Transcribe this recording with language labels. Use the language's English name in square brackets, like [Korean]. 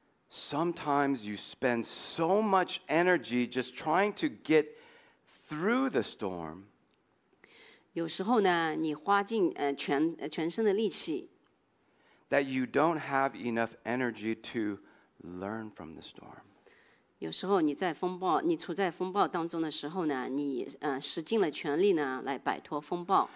[English] sometimes you spend so much energy just trying to get through the storm. [Chinese] 有时候呢, 你花尽全身的力气, [English] that you don't have enough energy to learn from the storm. [Chinese] 有时候你在风暴, 你处在风暴当中的时候呢, 你使尽了全力呢, 来摆脱风暴,